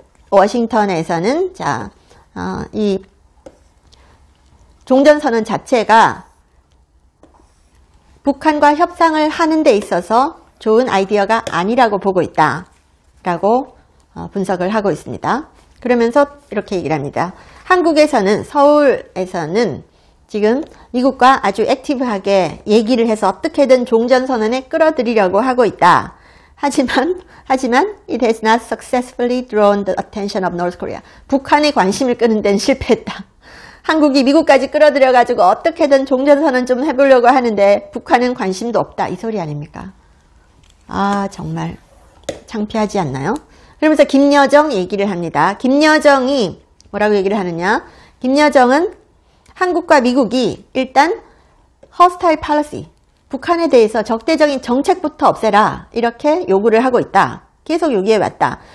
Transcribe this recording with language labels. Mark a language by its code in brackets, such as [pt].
[ko] 워싱턴에서는 이 종전선언 자체가 북한과 협상을 하는 데 있어서 좋은 아이디어가 아니라고 보고 있다. 라고 분석을 하고 있습니다. 그러면서 이렇게 얘기를 합니다. 한국에서는, 서울에서는 지금 미국과 아주 액티브하게 얘기를 해서 어떻게든 종전선언에 끌어들이려고 하고 있다. 하지만, [en] it has not successfully drawn the attention of North Korea. [ko] 북한의 관심을 끄는 데는 실패했다. 한국이 미국까지 끌어들여가지고 어떻게든 종전선언 좀 해보려고 하는데 북한은 관심도 없다. 이 소리 아닙니까? 아, 정말 창피하지 않나요? 그러면서 김여정 얘기를 합니다. 김여정이 뭐라고 얘기를 하느냐? 김여정은 한국과 미국이 일단 hostile policy, 북한에 대해서 적대적인 정책부터 없애라 이렇게 요구를 하고 있다. 계속 요구해 왔다.